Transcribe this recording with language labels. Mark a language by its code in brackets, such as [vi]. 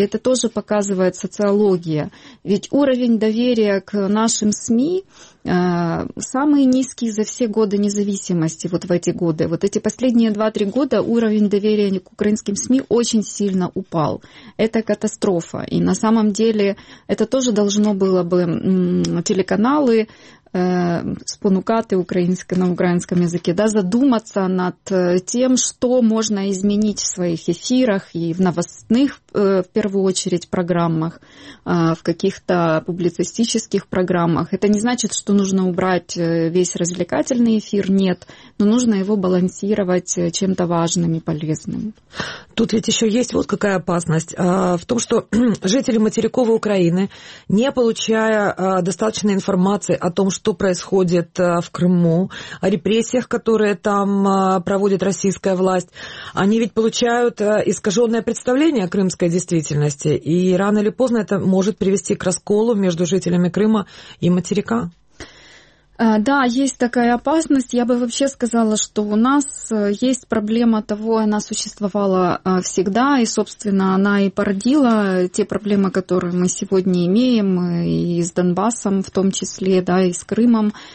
[ru] И это тоже показывает социология. Ведь уровень доверия к нашим СМИ самый низкий за все годы независимости, вот в эти годы. Вот эти последние 2-3 года уровень доверия к украинским СМИ очень сильно упал. Это катастрофа. И на самом деле это тоже должно было бы телеканалы [uk] спонукати українські на українському язикі, да, задуматися над тим, що можна змінити в своїх ефірах і в новостних, в першу чергу, програмах, в каких-то публіцистичних програмах. Це не значить, що потрібно убрати весь розвлекательний ефір, ні, але потрібно його балансувати чим-то важливим і полезним. Тут ведь ще є ось яка опасність в тому, що жителі материкової України, не отримує достатньо інформації о тому, [ru] что происходит в Крыму, о репрессиях, которые там проводит российская власть. Они ведь получают искаженное представление о крымской действительности, и рано или поздно это может привести к расколу между жителями Крыма и материка. Да, есть такая опасность. Я бы вообще сказала, что у нас есть проблема того, она существовала всегда, и, собственно, она и породила те проблемы, которые мы сегодня имеем, и с Донбассом в том числе, да, и с Крымом.